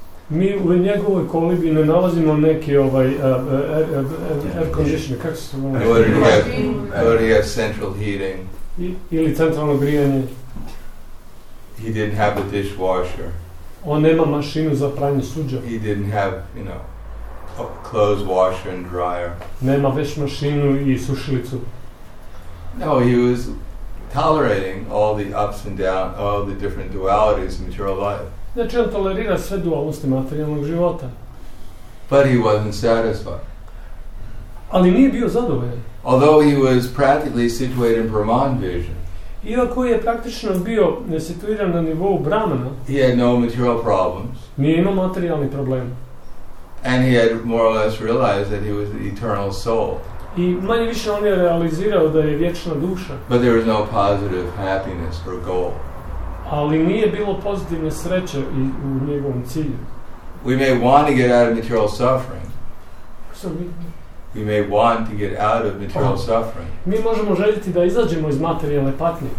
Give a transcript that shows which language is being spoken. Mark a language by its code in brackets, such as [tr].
[hr] Mi u njegovoj kolibi ne nalazimo neki air conditioning. Kako se zove? [en] Would he have central heating. [hr] Ili centralno grijanje. [en] He didn't have a dishwasher. [hr] On nema mašinu za pranje suđa. [en] He didn't have, you know, a clothes washer and dryer. [hr] Nema veš mašinu i sušilicu. [en] No, he was tolerating all the ups and downs, all the different dualities of material life. [hr] Znači, on tolerira sve dualnosti materijalnog života. [en] But he wasn't satisfied. [hr] Ali nije bio zadovoljan. [en] Although he was practically situated in Brahman vision. [hr] Iako je praktično bio situiran na nivou Brahmana. [en] He had no material problems. [hr] Nije imao materijalni problem. [en] And he had more or less realized that he was the eternal soul. [hr] I manje više on je realizirao da je vječna duša. [en] But there was no positive happiness or goal. [hr] Ali nije bilo pozitivne sreće i u njegovom cilju. [en] We may want to get out of material suffering. So we may want to get out of material suffering. [hr] Mi možemo željeti da izađemo iz materijalne patnje.